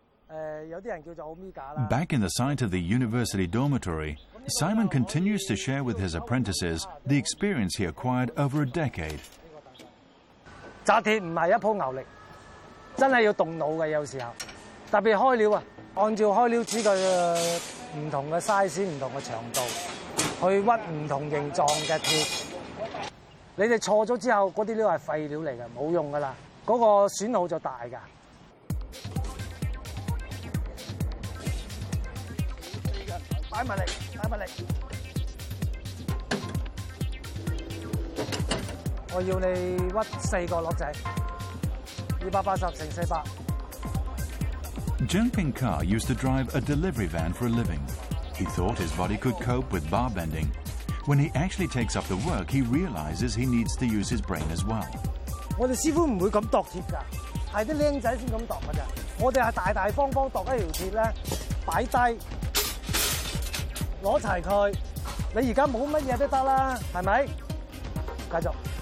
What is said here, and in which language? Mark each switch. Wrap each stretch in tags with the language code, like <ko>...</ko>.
<en>Back in the site of the university dormitory, Simon continues to share with his apprentices the experience he acquired over a decade.</en> <yue>扎鐵不是一鋪牛力，真的要動腦的，有時候，特別開料，按照開料指的不同的size、不同的長度，去屈不同形狀的鐵。你們錯了之後，那些料是廢料來的，沒用的了，那個損耗就大的。摆埋嚟，摆埋嚟。我要你屈四个落仔，280×400。</yue> <en>Jumping Car used to drive a delivery van for a living. He thought his body could cope with bar bending. When he actually takes up the work, he realizes he needs to use his brain as well.</en> <yue>我哋師傅唔會咁度鐵噶，係啲僆仔先咁度噶咋。我哋係大大方方度一條鐵咧，擺低。攞齊佢，你而家冇乜嘢都得啦，係咪？繼續。</yue>